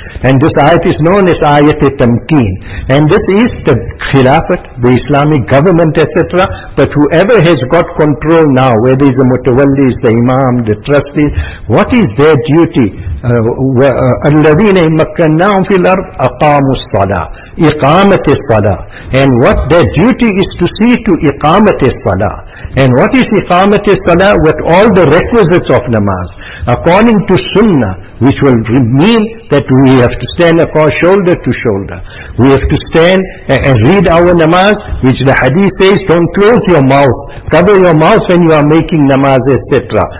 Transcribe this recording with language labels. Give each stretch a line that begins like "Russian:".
English: And this ayat is known as ayat tamkeen. And this is the khilafat, the Islamic government, etc. But whoever has got control now, whether it's the mutawalli, the imam, the trustees, what is their duty?
Arabic: الَّذِينَ إِن مَكَّنَّاهُمْ فِي الْأَرْضِ أَقَامُوا الصَّلَاةِ, إِقَامَةِ الصَّلَاةِ.
English: And what their duty is to see to
Arabic: إِقَامَةِ الصَّلَاةِ.
English: And what is Iqamat-e-Salah? With all the requisites of namaz, according to sunnah, which will mean that we have to stand across shoulder to shoulder. We have to stand and read our namaz, which the hadith says, don't close your mouth, cover your mouth when you are making namaz, etc.